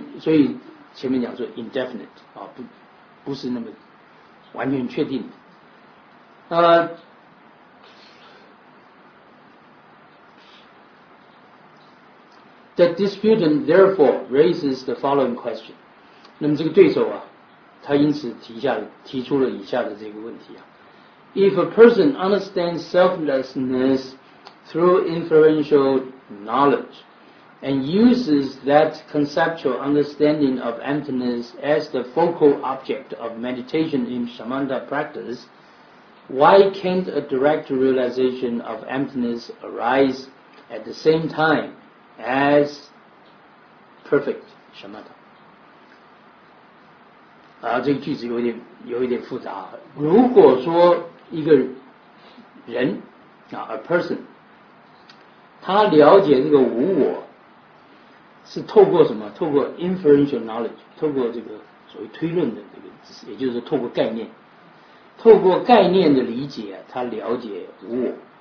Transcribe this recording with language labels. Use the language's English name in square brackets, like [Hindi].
[Chinese] 所以前面讲说 indefinite 啊，不是那么完全确定的。 [English] The disputant therefore raises the following question. [Chinese] 那么这个对手啊，他因此提出了以下的这个问题啊。 [English] If a person understands selflessness through inferential knowledge and uses that conceptual understanding of emptiness as the focal object of meditation in Shamatha practice, why can't a direct realization of emptiness arise at the same time as perfect Shamatha? [Chinese] 啊，这个句子有一点复杂。如果说一个人啊 ， a person，他了解这个无我，是透过什么？透过 inferential knowledge， 透过这个所谓推论的这个知识，也就是透过概念，透过概念的理解，他了解无我。